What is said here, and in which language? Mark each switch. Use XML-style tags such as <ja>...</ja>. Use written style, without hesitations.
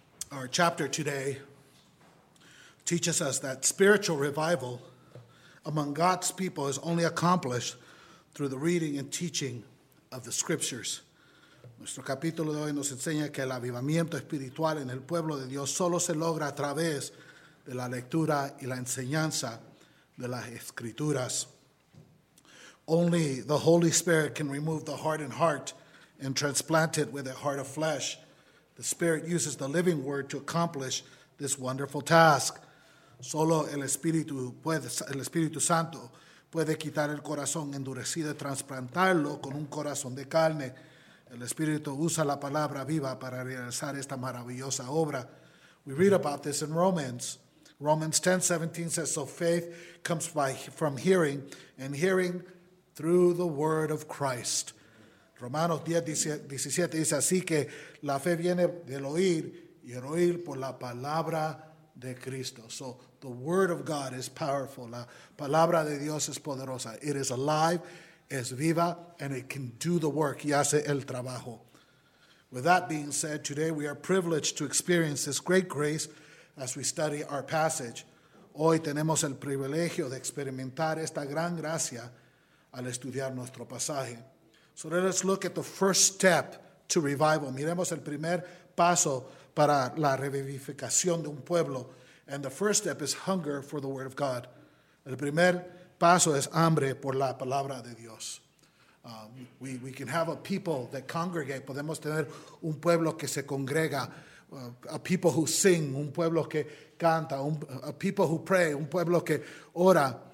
<en>Our chapter today teaches us that spiritual revival among God's people is only accomplished through the reading and teaching of the scriptures.</en> <es>Nuestro capítulo de hoy nos enseña que el avivamiento espiritual en el pueblo de Dios solo se logra a través de la lectura y la enseñanza de las escrituras.</es> <en>Only the Holy Spirit can remove the hardened heart and transplant it with a heart of flesh. The Spirit uses the living word to accomplish this wonderful task.</en> <es>Solo el Espíritu Santo puede quitar el corazón endurecido y trasplantarlo con un corazón de carne. El Espíritu usa la palabra viva para realizar esta maravillosa obra.</es> <en>We read about this in Romans. Romans 10:17 says, so faith comes from hearing, and hearing through the word of Christ.</en> <es>Romanos 10:17 dice, así que la fe viene del oír, y el oír por la palabra de Cristo.</es> <en>So the word of God is powerful.</en> <es>La palabra de Dios es poderosa.</es> <en>It is alive,</en> <es>es viva,</es> <en>and it can do the work.</en> <es>Y hace el trabajo.</es> <en>With that being said, today we are privileged to experience this great grace as we study our passage.</en> <es>Hoy tenemos el privilegio de experimentar esta gran gracia al estudiar nuestro pasaje.</es> <en>So let us look at the first step to revival.</en> <es>Miremos el primer paso para la revivificación de un pueblo.</es> <en>And the first step is hunger for the word of God.</en> <es>El primer paso es hambre por la palabra de Dios.</es> <en>We can have a people that congregate.</en> <es>Podemos tener un pueblo que se congrega.</es> <en>A people who sing,</en> <es>un pueblo que canta,</es> <en>a people who pray,</en> <es>un pueblo que ora.</es>